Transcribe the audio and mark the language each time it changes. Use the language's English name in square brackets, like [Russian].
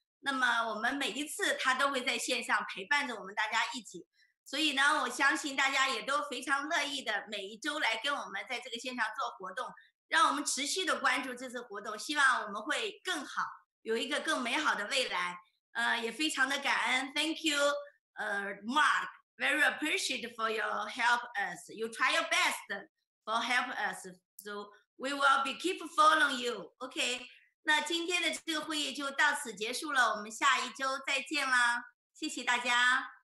[Chinese] 那么我们每一次他都会在线上陪伴着我们大家一起，所以呢我相信大家也都非常乐意的每一周来跟我们在这个线上做活动，让我们持续的关注这次活动，希望我们会更好，有一个更美好的未来。也非常的感恩 [English] Thank you Mark, very appreciate for your help us. You try your best for help us, so we will be keep following you. [Chinese] OK, 那今天的这个会议就到此结束了，我们下一周再见啦，谢谢大家。